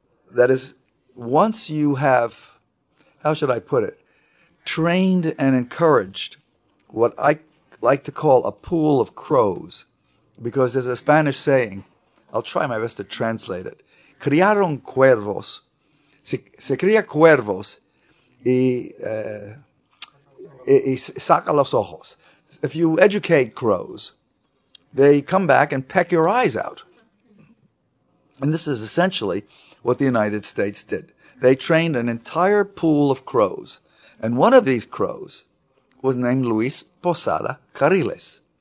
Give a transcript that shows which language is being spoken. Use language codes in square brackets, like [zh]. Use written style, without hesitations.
[en] That is, once you have, how should I put it, trained and encouraged what I like to call a pool of crows, because there's a Spanish saying I'll try my best to translate it. [es] Criaron cuervos. Se cría cuervos y saca los ojos. [en] If you educate crows, they come back and peck your eyes out. And this is essentially what the United States did. They trained an entire pool of crows. And one of these crows was named Luis Posada Carriles.